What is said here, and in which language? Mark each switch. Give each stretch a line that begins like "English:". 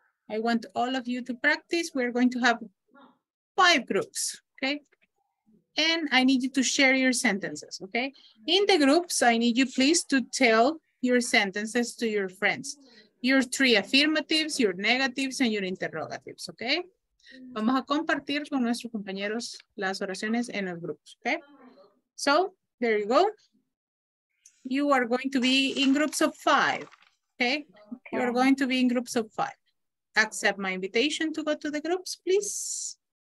English: I want all of you to practice. We're going to have five groups, okay? And I need you to share your sentences, okay? In the groups, I need you please to tell your sentences to your friends. Your three affirmatives, your negatives, and your interrogatives, okay?
Spanish: Vamos a compartir con nuestros compañeros las oraciones en los grupos, okay?
English: So, there you go. You are going to be in groups of five, okay? You are going to be in groups of five. Accept my invitation to go to the groups, please.